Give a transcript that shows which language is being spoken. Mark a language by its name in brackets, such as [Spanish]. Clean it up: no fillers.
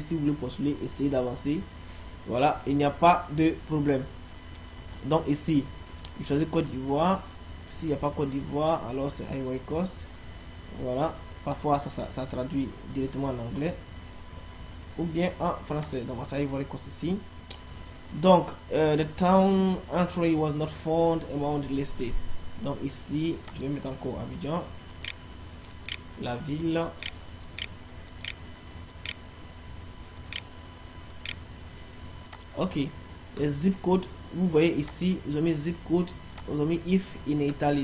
[French] Si vous voulez postuler, essayez d'avancer. Voilà, il n'y a pas de problème. Donc ici, je choisis Côte d'Ivoire. S'il n'y a pas Côte d'Ivoire, alors c'est Ivory Coast. Voilà. Parfois, ça traduit directement en anglais ou bien en français. Donc, c'est Ivory Coast ici. [English] Donc, the town entry was not found among the listed. [French] Donc ici, je vais mettre encore Abidjan, la ville. Ok. Les zip codes. Vous voyez ici, ils ont mis zip code, ils ont mis [English] if in Italy.